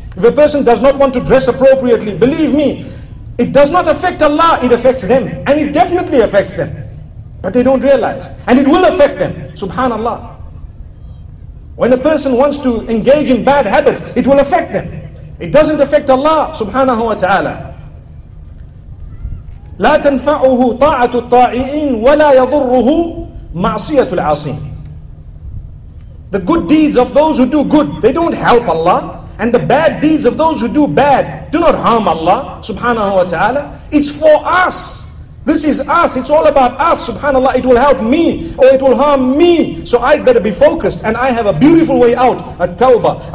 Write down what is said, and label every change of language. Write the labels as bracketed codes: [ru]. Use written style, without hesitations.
[en] If a person does not want to dress appropriately, believe me, it does not affect Allah, it affects them. And it definitely affects them. But they don't realize. And it will affect them. SubhanAllah. When a person wants to engage in bad habits, it will affect them. It doesn't affect Allah, subhanahu wa ta'ala. [ar] لا تنفعه طاعة الطائعين ولا يضره معصية العاصين. [en] The good deeds of those who do good, they don't help Allah. And the bad deeds of those who do bad do not harm Allah subhanahu wa ta'ala. It's for us. This is us. It's all about us, subhanAllah. It will help me or it will harm me. So I better be focused, and I have a beautiful way out, a tawbah.